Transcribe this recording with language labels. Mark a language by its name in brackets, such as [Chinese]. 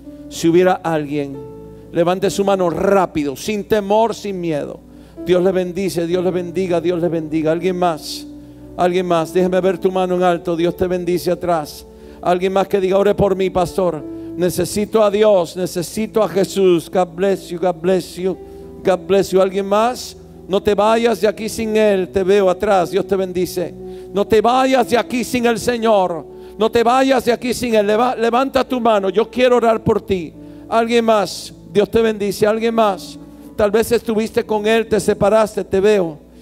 [Spanish] Si hubiera alguien, levante su mano rápido, sin temor, sin miedo. Dios le bendice, Dios le bendiga, Dios le bendiga. Alguien más, alguien más. Déjeme ver tu mano en alto. Dios te bendice atrás. Alguien más que diga: ore por mí, pastor. Necesito a Dios, necesito a Jesús. [English] God bless you, God bless you, God bless you. [Spanish] Alguien más, no te vayas de aquí sin Él. Te veo atrás, Dios te bendice. No te vayas de aquí sin el Señor. No te vayas de aquí sin Él. Levanta tu mano, yo quiero orar por ti. Alguien más, Dios te bendice. Alguien más, tal vez estuviste con Él, te separaste, te veo.